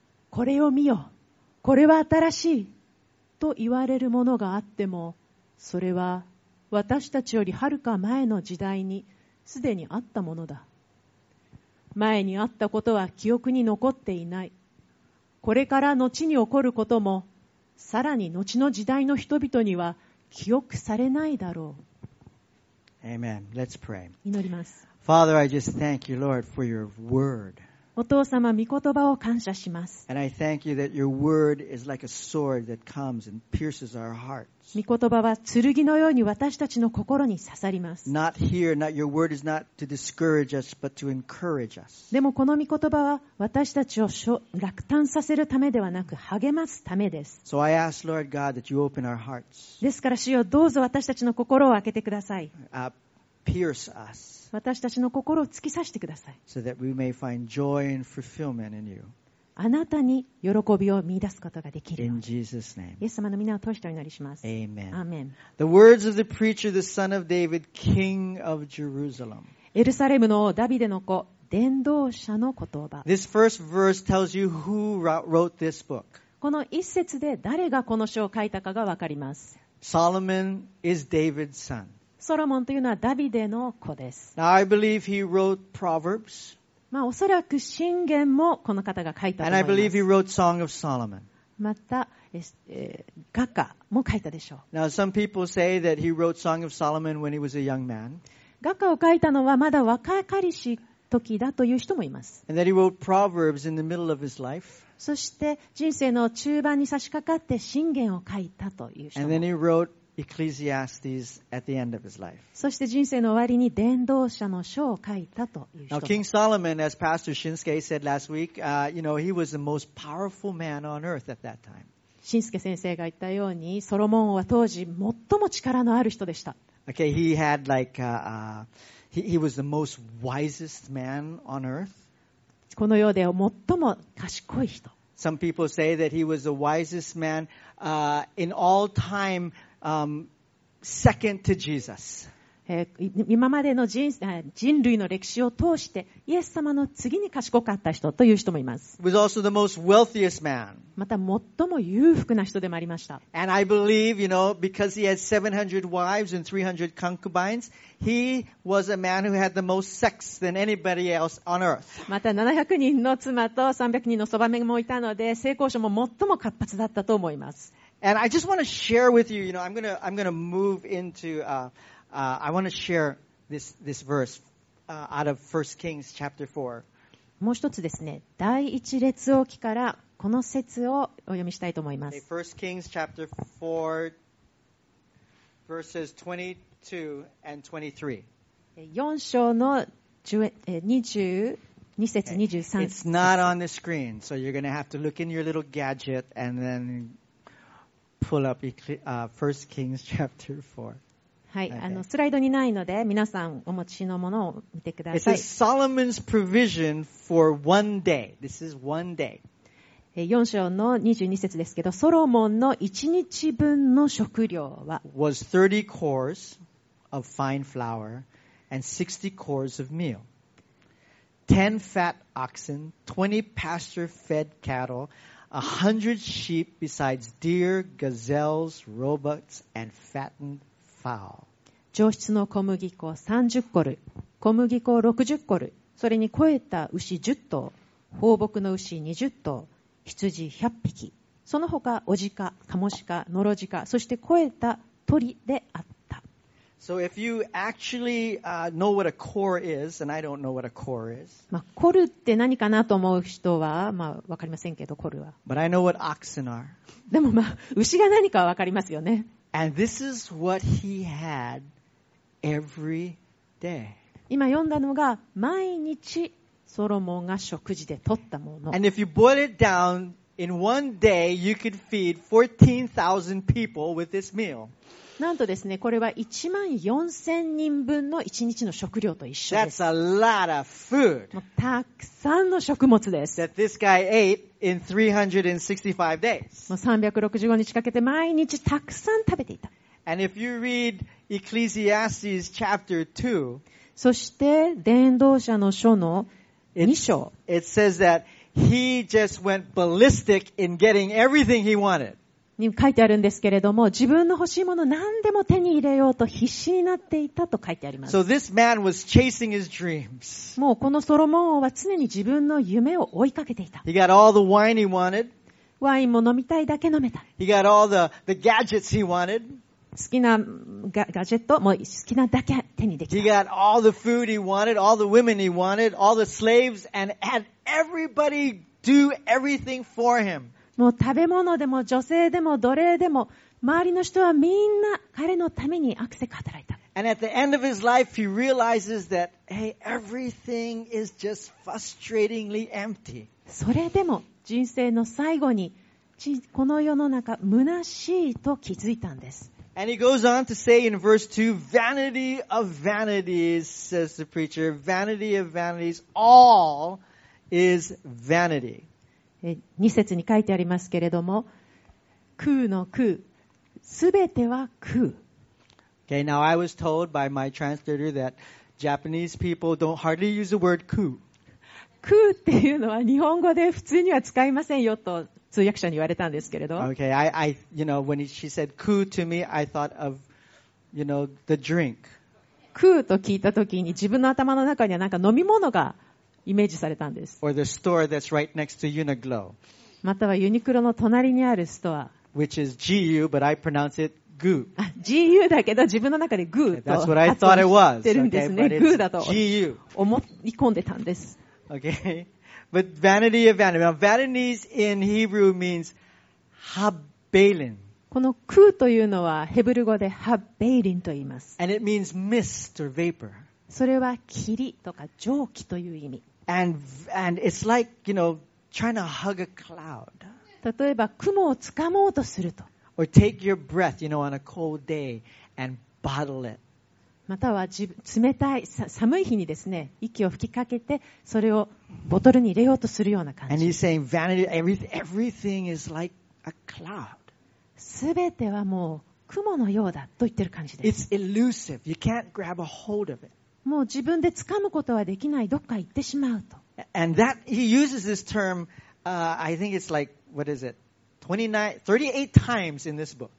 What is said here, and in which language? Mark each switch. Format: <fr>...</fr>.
<ja>これを見よ、これは新しいと言われるものがあっても、それは私たちよりはるか前の時代にすでにあったものだ。前にあったことは記憶に残っていない。これから後に起こることも、さらに後の時代の人々には記憶されないだろう。</ja> <en>Amen. Let's pray.</en> <ja>祈ります。</ja> <en>Father, I just thank you, Lord, for your word.</en> <ja>お父様、御言葉を感謝します。</ja> <en>And I thank you that your word is like a sword that comes and pierces our hearts.</en> <ja>御言葉は剣のように私たちの心に刺さります。</ja> <en>Not here, not your word is not to discourage us, but to encourage us.</en> <ja>でもこの御言葉は私たちを落胆させるためではなく励ますためです。</ja> <en>So I ask, Lord God, that you open our hearts.</en> <ja>ですから主よ、どうぞ私たちの心を開けてください。</ja> <en>Pierce us.</en> <ja>私たちの心を突き刺してください。</ja> <en>So that we may find joy and fulfillment in you.</en> <ja>あなたに喜びを見出すことができるように。</ja> <en>In Jesus' name.</en> <ja>イエス様の名を通してお祈りします。</ja> <en>Amen. Amen. The words of the preacher, the son of David, king of Jerusalem.</en> <ja>エルサレムの王ダビデの子、伝道者の言葉。</ja> <en>This first verse tells you who wrote this book.</en> <ja>この一節で誰がこの書を書いたかがわかります。</ja> <en>Solomon is David's son.</en> <ja>ソロモンというのはダビデの子です。</ja> <en>Now, I believe he wrote Proverbs.</en> <ja>まあおそらく箴言もこの方が書いたと思います。</ja> <en>And I believe he wrote Song of Solomon.</en> <ja>また、雅歌も書いたでしょう。</ja> <en>Now some people say that he wrote Song of Solomon when he was a young man.</en> <ja>雅歌を書いたのはまだ若かりし時だという人もいます。</ja> <en>And that he wrote Proverbs in the middle of his life.</en> <ja>そして人生の中盤に差し掛かって箴言を書いたという人も。</ja> <en>And then he wrote Ecclesiastes at the end of his life.</en> <ja>そして人生の終わりに伝道者の書を書いたという人。</ja> <en>Now King Solomon, as Pastor Shinsuke said last week, you know, he was the most powerful man on earth at that time.</en> <ja>新助先生が言ったように、ソロモン王は当時最も力のある人でした。</ja> <en>Okay, he had like he was the most wisest man on earth.</en> <ja>この世で最も賢い人。</ja> <en>Some people say that he was the wisest man in all time. Second to Jesus.</en> <ja>今までの 人類の歴史を通してイエス様の次に賢かった人という人もいます。</ja> <en>Was also the most wealthiest man.</en> <ja>また最も裕福な人でもありました。</ja> <en>And I believe, you know, because he had 700 wives and 300 concubines, he was a man who had the most sex than anybody else on earth.</en> <ja>また700人の妻と300人のそばめもいたので、性交渉も最も活発だったと思います。</ja> <en>And I just want to share with you, you know, I'm gonna move into, I want to share this verse, out of 1 Kings chapter 4.</en> <ja>もう一つですね、第一列王記からこの節をお読みしたいと思います。</ja> <en>Okay, 1 Kings chapter 4, verses 22 and 23.</en> <ja>4章の22節23節。</ja> <en>It's not on the screen, so you're going to have to look in your little gadget and then pull up 1 Kings chapter 4.</en> <ja>はい、okay. スライドにないので皆さんお持ちのものを見てください。</ja> <en>It says Solomon's provision for one day. This is one day.</en> <ja>4章の22節ですけど、ソロモンの1日分の食料は</ja> <en>was 30 cores of fine flour and 60 cores of meal. 10 fat oxen, 20 pasture-fed cattle, 100 sheep besides deer, gazelles, roebucks, and fattened</en> <ja>上質の小麦粉30コル、小麦粉60コル、それに肥えた牛10頭、放牧の牛20頭、羊100匹、その他オジカ、カモシカ、ノロジカ、そして肥えた鳥であった。</ja> <en>So if you actually know what a core is, and I don't know what a core is.</en> <ja>まあ、コルって何かなと思う人は、まあ、わかりませんけど、コルは。</ja> <en>But I know what oxen are.</en> <ja>でもまあ、牛が何かはわかりますよね。</ja> <en>And this is what he had every day.</en> <ja>今読んだのが毎日ソロモンが食事で取ったもの。</ja> <en>And if you boil it down in one day, you could feed 14,000 people with this meal.</en> <ja>なんとですね、これは1万4000人分の1日の食料と一緒です。</ja> <en>That's a lot of food.</en> <ja>たくさんの食物です。</ja> <en>That this guy ate. In 365 days.</en> <ja>もう365日かけて毎日たくさん食べていた。</ja> <en>And if you read Ecclesiastes chapter 2,</en> <ja>そして伝道者の書の2章。</ja> <en>It says that he just went ballistic in getting everything he wanted.</en> <ja>に書いてあるんですけれども、自分の欲しいもの何でも手に入れようと必死になっていたと書いてあります。</ja> <en>So this man was chasing his dreams.</en> <ja>もうこのソロモン王は常に自分の夢を追いかけていた。</ja> <en>He got all the wine he wanted.</en> <ja>ワインも飲みたいだけ飲めた。</ja> <en>He got all the gadgets he wanted.</en> <ja>好きなガジェットも好きなだけ手にできた。</ja> <en>He got all the food he wanted, all the women he wanted, all the slaves, and had everybody do everything for him.</en> <ja>もう食べ物でも女性でも奴隷でも周りの人はみんな彼のために悪せく働いた。</ja> <en>And at the end of his life, he realizes that, hey, everything is just frustratingly empty.</en> <ja>それでも人生の最後にこの世の中虚しいと気づいたんです。</ja> <en>And he goes on to say in verse 2, vanity of vanities, says the preacher, vanity of vanities, all is vanity.</en> <ja>2節に書いてありますけれども、空の空、すべては空。</ja> <en>Okay, now I was told by my translator that Japanese people don't hardly use the word 空。</en> <ja>空っていうのは日本語で普通には使いませんよと通訳者に言われたんですけれど。</ja> <en>Okay, I, you know, when she said 空 to me, I thought of, you know, the drink.</en> <ja>空と聞いたときに自分の頭の中にはなんか飲み物がイメージされたんです。</ja> <en>Or the store that's right next to Uniqlo.</en> <ja>またはユニクロの隣にあるストア。</ja> <en>Which is GU, but I pronounce it GU.</en> <ja>GU だけど自分の中で GU と。</ja> <en>That's what I thought it was.</en> <ja>てるんですね。 GU だと思い込んでたんです。</ja> <en>Okay. But vanity of vanity. Now, vanity in Hebrew means habbelin.</en> <ja>この空というのはヘブル語で habbelin と言います。</ja> <en>And it means mist or vapor.</en> <ja>それは霧とか蒸気という意味。</ja> <en>And it's like, you know, trying to hug a cloud.</en> <ja>例えば雲をつかもうとすると。</ja> <en>Or take your breath, you know, on a cold day and bottle it.</en> <ja>または冷たい寒い日にですね、息を吹きかけてそれをボトルに入れようとするような感じ。</ja> <en>And he's saying vanity, everything is like a cloud.</en> <ja>すべてはもう雲のようだと言ってる感じです。</ja> <en>It's elusive. You can't grab a hold of it.</en> <ja>もう自分で掴むことはできない、どっか行ってしまうと。</ja> <en>And that he uses this term, I think it's like what is it, 38 times in this book.</en>